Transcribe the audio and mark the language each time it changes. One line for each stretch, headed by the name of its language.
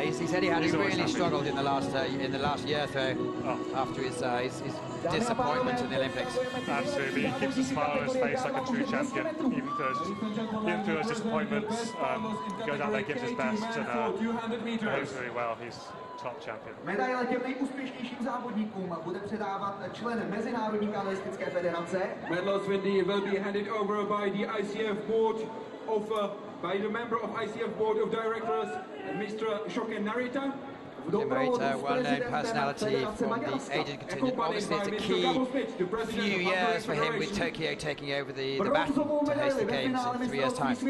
English: He's really struggled in the last year, though, after his disappointment in the Olympics. Absolutely, he keeps a smile on his face like a true champion, even through his disappointments. He goes out there, gives his best, and behaves really well. He's top champion.
Czech: Medaile těm nejúspěšnějším závodníkům bude předávat člen Mezinárodní kanoistické federace.
English: Medals will be handed over by the ICF board of. By the member of ICF Board of Directors, Mr. Shoken Narita. Narita, well-known personality from the Asian contingent. Obviously, it's a key few years for him with Tokyo taking over the baton to host the games in 3 years' time.